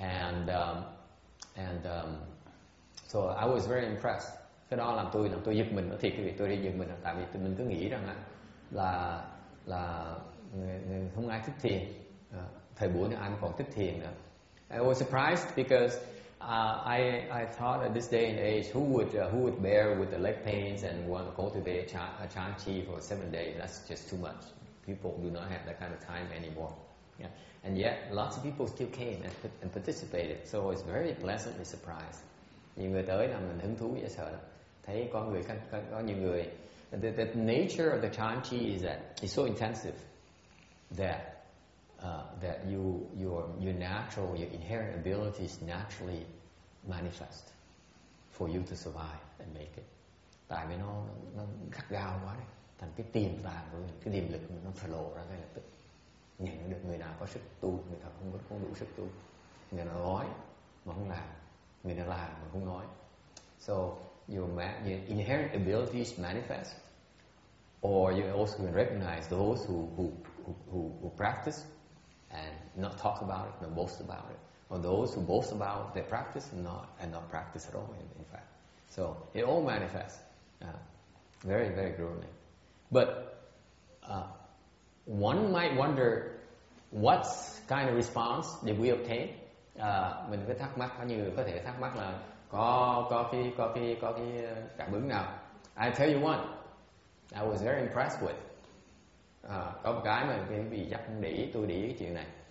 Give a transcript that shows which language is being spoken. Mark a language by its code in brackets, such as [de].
[en] So I was very impressed. [vi] Cái đó làm tôi giật mình, nói thiệt quý vị, tôi đi giật mình, tại vì mình cứ nghĩ rằng là người không ai thích thiền, thời buổi này ai còn thích thiền nữa. [en] I was surprised because I thought at this day and age who would bear with the leg pains and want to cultivate a chan chi for 7 days? That's just too much. People do not have that kind of time anymore. Yeah. And yet, lots of people still came and participated. So it's very pleasantly surprised. [vi] Nhiều người tới là mình hứng thú dễ sợ. Thấy có người, có nhiều người. [en] The nature of the chan chi is that it's so intensive that your inherent abilities naturally manifest for you to survive and make it. [vi] Tại vì nó khắc gao quá đấy. Thành cái tiềm tàng của mình, cái tiềm lực của mình, nó phải lộ ra ngay lập tức. Nhận được người nào có sức tu, người thật không đủ sức tu. Người nào nói mà không làm, người nào làm mà không nói. [en] So your inherent abilities manifest, or you also can recognize those who practice and not talk about it, not boast about it, or those who boast about their practice and not practice at all, in fact. So it all manifests very, very grueling. But one might wonder what kind of response did we obtain? [vi] Mình có thắc mắc, có thể thắc mắc là có cái cảm ứng nào. [en] I tell you one I was very impressed with. [vi] Có một cái mà quý vị chắc không để ý, tôi để ý cái chuyện này.